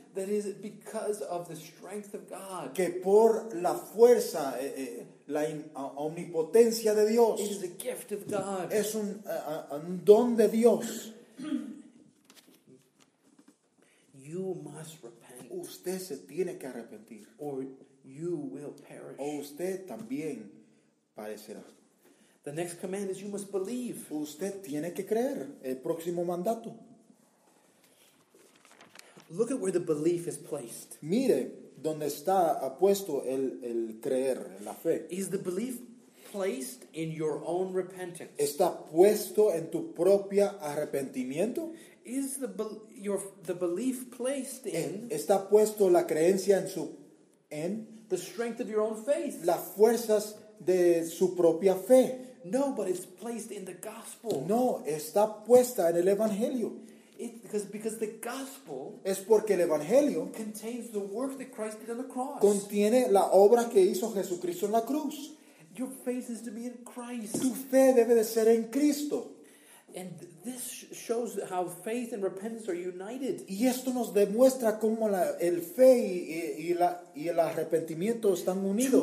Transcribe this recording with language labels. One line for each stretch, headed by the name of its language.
English: That is because of the strength of God.
Spanish: Que por la fuerza, la omnipotencia de Dios.
English: It is a gift of God.
Spanish: Es un don de Dios.
English: You must repent.
Spanish: Usted se tiene que arrepentir.
English: Or you will perish.
Spanish: O usted también perecerá.
English: The next command is you must believe.
Spanish: Usted tiene que creer. El próximo mandato.
English: Look at where the belief is placed.
Spanish: Mire donde está puesto el creer, la fe.
English: Is the belief placed in your own repentance?
Spanish: ¿Está puesto en tu propia arrepentimiento?
English: Is the belief placed in?
Spanish: ¿Está puesto la creencia en su en?
English: The strength of your own faith.
Spanish: Las fuerzas de su propia fe.
English: No, but it's placed in the gospel.
Spanish: No, está puesta en el evangelio.
English: It's because the gospel
Spanish: es porque el evangelio
English: contains the work that Christ did on the cross.
Spanish: Contiene la obra que hizo Jesucristo en la cruz.
English: Your faith is to be in Christ.
Spanish: Tu fe debe de ser en Cristo.
English: And this shows how faith and repentance are united.
Spanish: Y esto nos demuestra cómo el fe y el arrepentimiento están unidos.